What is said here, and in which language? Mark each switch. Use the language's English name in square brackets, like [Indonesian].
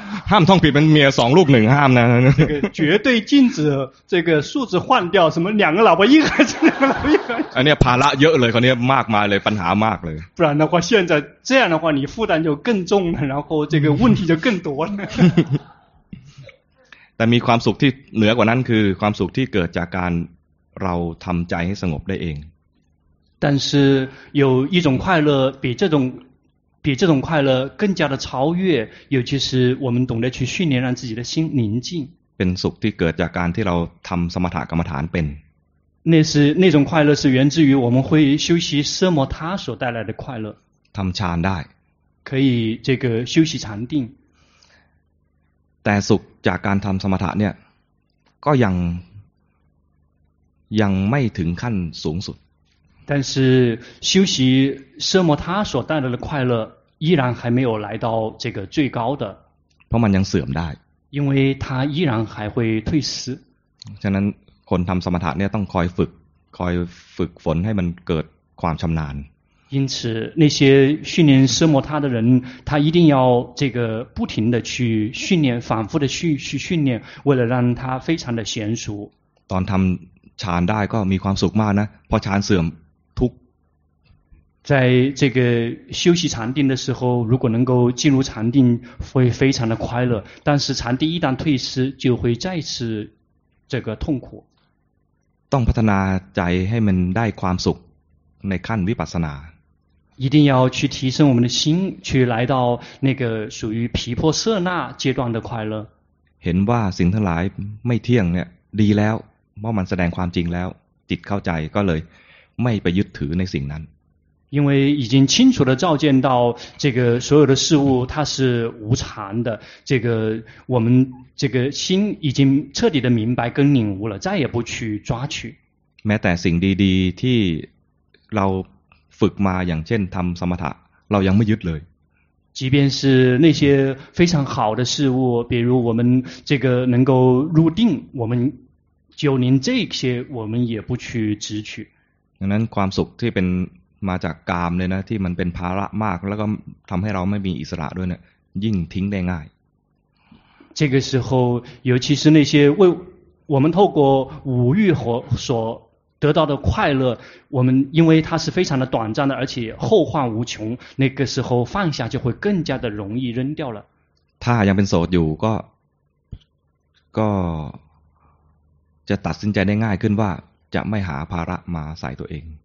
[Thai] ห้ามท่องผิดเป็นเมียสองลูกหนึ่งห้ามนะ [Chinese] 这个绝对禁止这个数字换掉什么两个老婆一个孩子两个老婆一个孩子 [Thai] อันนี้ภาระเยอะเลยคนนี้มากมายเลยปัญหามากเลย [Chinese] 不然的话现在这样的话你负担就更重了然后这个问题就更多了 [Thai] แต่มีความสุขที่เหนือกว่านั้นคือความสุขที่เกิดจากการเราทำใจให้สงบได้เอง [Chinese] 但是有一种快乐比这种快乐更加的超越尤其是我们懂得去训练让自己的心宁静 [Thai] เป็นสุขที่เกิดจากการที่เราทำสมถะกรรมฐานเป็น [Chinese] 那种快乐是源自于我们会修习奢摩他所带来的快乐 [Thai] ทำฌานได้ [Chinese] 可以这个修习禅定 [Thai] แต่สุขจากการทำสมถะเนี่ยก็ยังไม่ถึงขั้นสูงสุด [Chinese] 但是修习奢摩他所带来的快乐依然还没有来到这个最高的 [Thai] เพราะมันยังเสื่อมได้ [Chinese] 因为它依然还会退失 [Thai] ฉะนั้นคนทำสมถะเนี่ยต้องคอยฝึกฝนให้มันเกิดความชำนาญ [Chinese] 因此那些训练奢摩他的人他一定要这个不停的去训练反复的去训练为了让他非常的娴熟 [Thai] ตอนทำฌานได้ก็มีความสุขมากนะพอฌานเสื่อมทุก [Chinese] 在这个休息禅定的时候如果能够进入禅定会非常的快乐但是禅定一旦退失就会再次这个痛苦 [Thai] ต้องพัฒนาใจให้มันได้ความสุขในขั้นวิปัสสนา [Chinese] 一定要去提升我们的心去来到那个属于毗婆舍那阶段的快乐 [Thai] เห็นว่าสิ่งทั้งหลายไม่เที่ยงเนี่ยดีแล้วเมื่อมันแสดงความจริงแล้วจิตเข้าใจก็เลยไม่ไปยึดถือในสิ่งนั้น [Chinese] 因为已经清楚的照见到这个所有的事物它是无常的这个我们这个心已经彻底的明白跟领悟了再也不去抓取 [Thai] แม้แต่สิ่งดีๆที่เราฝึกมาอย่างเช่นทำสมถะเรายังไม่ยึดเลย [Chinese] 即便是那些非常好的事物比如我们这个能够入定我们就连这些我们也不去执取 [Thai] ดังนั้นความสุขที่เป็นมาจากกามเลยนะที่มันเป็นภาระมากแล้วก็ทำให้เราไม่มีอิสระด้วยเนี่ยยิ่งทิ้งได้ง่าย [Chinese] 这个时候尤其是那些为我们透过五欲所得到的快乐我们因为它是非常的短暂的而且后患无穷那个时候放下就会更加的容易扔掉了 [Thai] ถ้ายังเป็นโสดอยู่ก็จะตัดสินใจได้ง่ายขึ้นว่าจะไม่หาภาระมาใส่ตัวเอง